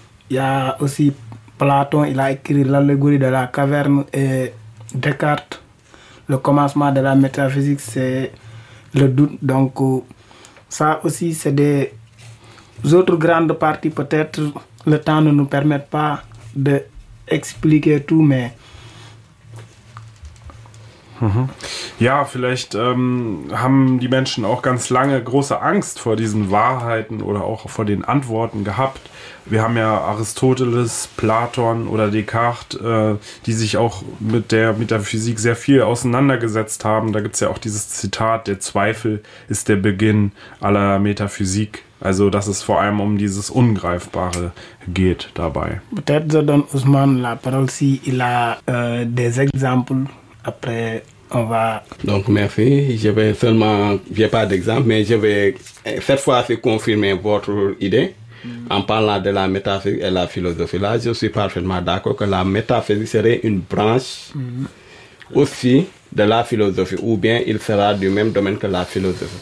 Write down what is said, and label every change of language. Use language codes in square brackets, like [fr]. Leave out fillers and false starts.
[fr] y a aussi Platon, il a écrit l'allégorie de la caverne, et Descartes, le commencement de la métaphysique, c'est le doute. Donc ça aussi, c'est des autres grandes parties. Peut-être le temps ne nous permet pas d'expliquer tout, mais... [de] Ja, vielleicht haben die Menschen auch ganz lange große Angst vor diesen Wahrheiten oder auch vor den Antworten gehabt. Wir haben ja Aristoteles, Platon oder Descartes, die sich auch mit der Metaphysik sehr viel auseinandergesetzt haben. Da gibt es ja auch dieses Zitat, der Zweifel ist der Beginn aller Metaphysik. Also, dass es vor allem um dieses Ungreifbare geht dabei. [fr] Peut-être donne Ousmane la parole si il a des exemples. Après, on va... Donc, merci. Je vais seulement... Je n'ai pas d'exemple, mais je vais cette fois-ci confirmer votre idée. Mm-hmm. En parlant de la métaphysique et la philosophie, là, je suis parfaitement d'accord que la métaphysique serait une branche aussi de la philosophie, ou bien il sera du même domaine que la philosophie.